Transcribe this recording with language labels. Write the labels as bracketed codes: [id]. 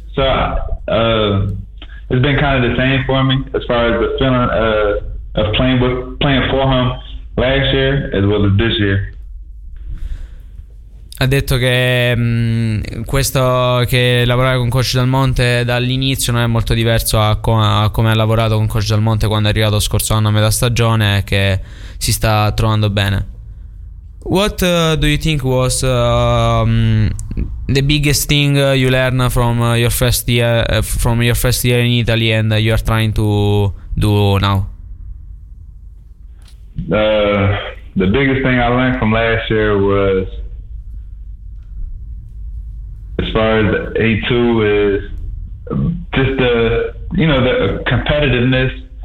[en] So it's been kind of the same for me as far as the feeling of playing for him last year as well as this year. [it] Ha detto che questo che lavorare con Coach Dal Monte dall'inizio non è molto diverso a come ha lavorato con Coach Dal Monte quando è arrivato scorso anno a metà stagione, che si sta trovando bene. [en] What do you think was the biggest thing you learned from your first year in Italy and you are trying to do now? The biggest thing I learned from last year was, as far as A2 is, just the, you know, the competitiveness.